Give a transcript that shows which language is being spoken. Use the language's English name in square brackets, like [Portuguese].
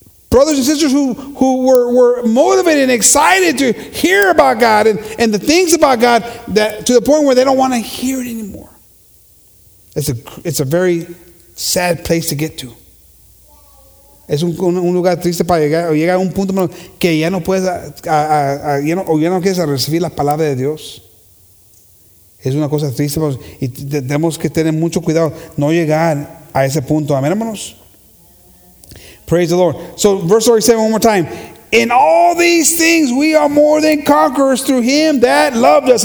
[English] Brothers and sisters who were motivated and excited to hear about God and the things about God, that to the point where they don't want to hear it anymore. It's a very sad place to get to. [Spanish] Es un lugar triste para llegar, o llega a un punto que ya no puedes ya no quieres recibir la palabra de Dios. Es una cosa triste, hermanos, y tenemos que tener mucho cuidado no llegar a ese punto. Amén, hermanos. [English] Praise the Lord. So, verse 37, one more time. In all these things we are more than conquerors through him that loved us.